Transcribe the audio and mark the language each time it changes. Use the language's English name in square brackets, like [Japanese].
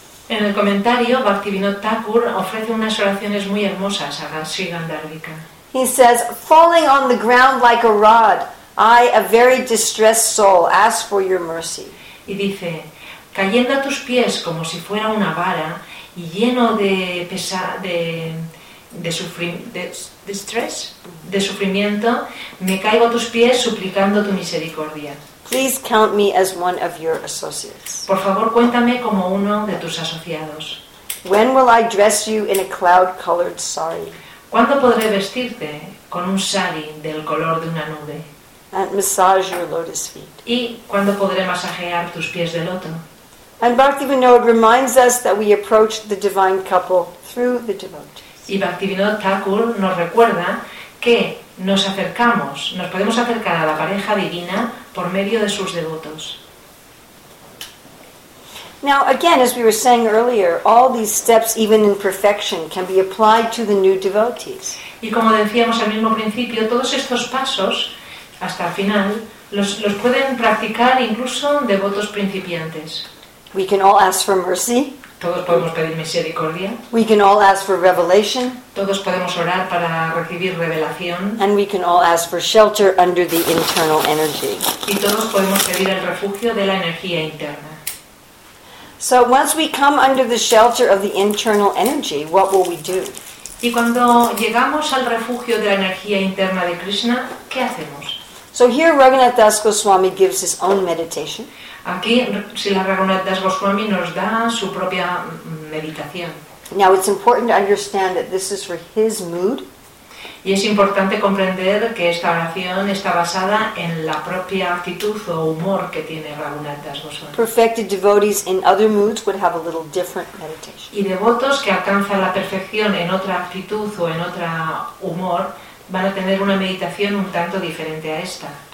[Spanish] En el comentario, Bhaktivinoda Thakur ofrece unas oraciones muy hermosas a Sri Gandharvika. [English] He says, "Falling on the ground like a rod, I, a very distressed soul, ask for your mercy." [Spanish] Y dice, cayendo a tus pies como si fuera una vara y lleno de sufrimiento, me caigo a tus pies suplicando tu misericordia. [English] Please count me as one of your associates. [Spanish] Por favor, cuéntame como uno de tus asociados. [English] When will I dress you in a cloud-colored sari? [Spanish] ¿Cuándo podré vestirte con un sari del color de una nube? [English] And massage your lotus feet. [Spanish] ¿Y cuándo podré masajear tus pies de loto? [English] And Bhaktivinoda reminds us that we approach the divine couple through the devotees. [Spanish] Y Bhaktivinoda Thakur nos recuerda que nos acercamos, nos podemos acercar a la pareja divina por medio de sus devotos. [English] Now, again, as we were saying earlier, all these steps, even in perfection, can be applied to the new devotees. [Spanish] Y como decíamos al mismo principio, todos estos pasos, hasta el final, los pueden practicar incluso devotos principiantes. [English] We can all ask for mercy. [Spanish] Todos podemos pedir misericordia. [English] We can all ask for revelation. [Spanish] Todos podemos orar para recibir revelación. [English] And we can all ask for shelter under the internal energy. [Spanish] Y todos podemos pedir el refugio de la energía interna. [English] So once we come under the shelter of the internal energy, what will we do? [Spanish] Y cuando llegamos al refugio de la energía interna de Krishna, ¿qué hacemos? [English] So here Raghunath Das Goswami gives his own meditation. [Spanish] Aquí Srila Raghunath Das Goswami nos da su propia meditación. [English] Now it's important to understand that this is for his mood. [Spanish] Y es importante comprender que esta oración está basada en la propia actitud o humor que tiene Raghunath Das Goswami. [English] Perfected devotees in other moods would have a little different meditation. [Spanish] Y devotos que alcanzan la perfección en otra actitud o en otro humor van a tener una meditación un tanto diferente a esta.